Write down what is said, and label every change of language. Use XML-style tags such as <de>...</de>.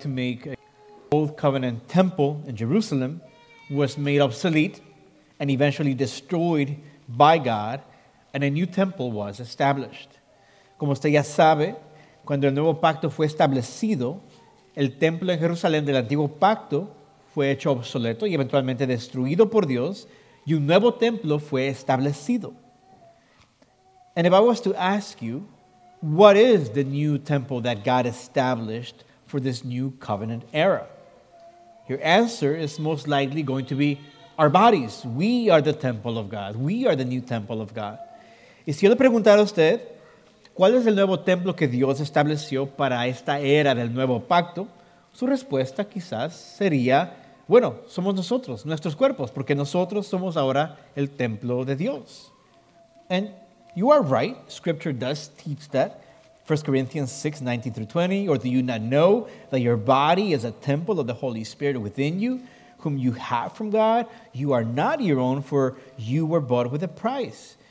<en>To make the Old Covenant Temple in Jerusalem was made obsolete and eventually destroyed by God, and a new temple was established.</en> <es>Como usted ya sabe, cuando el nuevo pacto fue establecido, el templo en Jerusalén del antiguo pacto fue hecho obsoleto y eventualmente destruido por Dios, y un nuevo templo fue establecido.</es> <en>And if I was to ask you, what is the new temple that God established for this new covenant era? Your answer is most likely going to be our bodies. We are the temple of God. We are the new temple of God.</en> <es>Y si yo le preguntara a usted, ¿cuál es el nuevo templo que Dios estableció para esta era del nuevo pacto? Su respuesta quizás sería, bueno, somos nosotros, nuestros cuerpos, porque nosotros somos ahora el templo de Dios.</es> <en>And you are right, Scripture does teach that. 1 Corinthians 6, 19-20, or do you not know that your body is a temple of the Holy Spirit within you, whom you have from God? You are not your own, for you were bought with a price.</en>